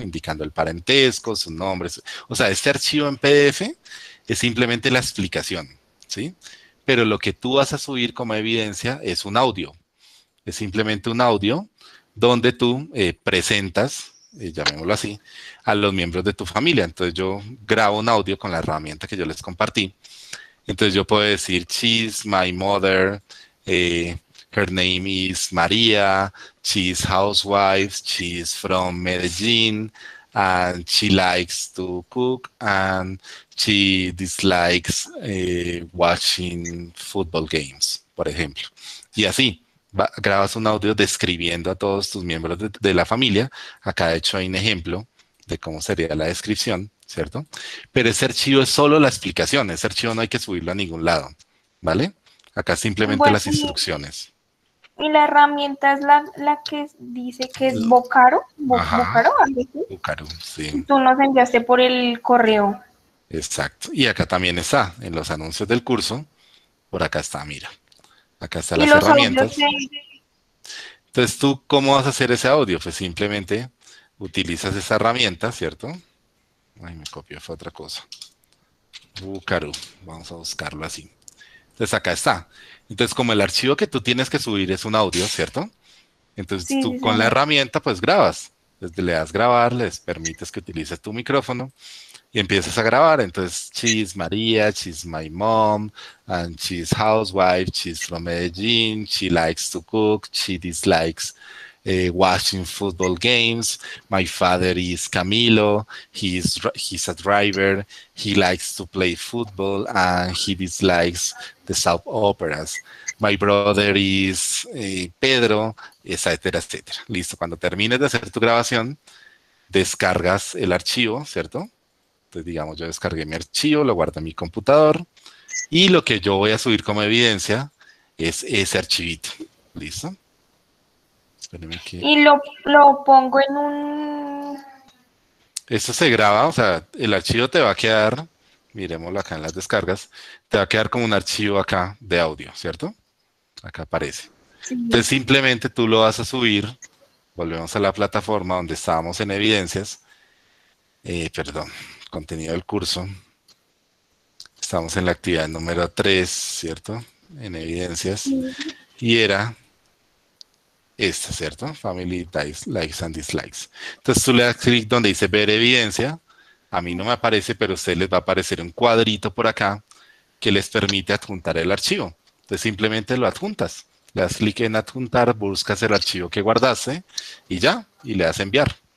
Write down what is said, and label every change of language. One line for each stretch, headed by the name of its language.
Spanish: Indicando el parentesco, sus nombres. O sea, este archivo en PDF es simplemente la explicación, ¿sí? Pero lo que tú vas a subir como evidencia es un audio. Es simplemente un audio donde tú presentas, llamémoslo así, a los miembros de tu familia. Entonces yo grabo un audio con la herramienta que yo les compartí
English: Entonces yo puedo decir, she's my mother, her name is Maria, she's housewife, she's from Medellin, and she likes to cook, and she dislikes watching football games,
Spanish: por ejemplo. Y así, grabas un audio describiendo a todos tus miembros de la familia. Acá de hecho hay un ejemplo de cómo sería la descripción, ¿cierto? Pero ese archivo es solo la explicación, ese archivo no hay que subirlo a ningún lado, ¿vale? Acá simplemente bueno, las instrucciones. Y la herramienta es la que dice que es Vocaro. Vocaro, sí. Tú nos enviaste por el correo. Exacto. Y acá también está, en los anuncios del curso. Por acá está, mira. Acá están las herramientas. Entonces, ¿tú cómo vas a hacer ese audio? Pues simplemente utilizas esa herramienta, ¿cierto? Ay, me copió, fue otra cosa. Vocaro, vamos a buscarlo así. Entonces, acá está. Entonces, como el archivo que tú tienes que subir es un audio, ¿cierto? Entonces, sí, tú sí, con sí. La herramienta, pues, grabas. Entonces, le das grabar, les permites que utilices tu micrófono y empiezas a grabar.
English: Entonces, she's Maria, she's my mom, and she's housewife, she's from Medellin, she likes to cook, she dislikes watching football games. My father is Camilo, he's a driver, he likes to play football, and he dislikes the soap operas. My brother is Pedro, etcétera, etcétera.
Spanish: Listo, cuando termines de hacer tu grabación, descargas el archivo, ¿cierto? Entonces, digamos, yo descargué mi archivo, lo guardo en mi computador, y lo que yo voy a subir como evidencia es ese archivito, ¿listo? Y lo pongo en un... Esto se graba, o sea, el archivo te va a quedar, miremoslo acá en las descargas, te va a quedar como un archivo acá de audio, ¿cierto? Acá aparece. Sí. Entonces simplemente tú lo vas a subir, volvemos a la plataforma donde estábamos en evidencias, perdón, contenido del curso. Estamos en la actividad número 3, ¿cierto? En evidencias. Sí. Y era... esta, ¿cierto?
English: Family dies, likes and dislikes.
Spanish: Entonces tú le das clic donde dice ver evidencia. A mí no me aparece, pero a ustedes les va a aparecer un cuadrito por acá que les permite adjuntar el archivo. Entonces simplemente lo adjuntas. Le das clic en adjuntar, buscas el archivo que guardaste y ya, y le das enviar.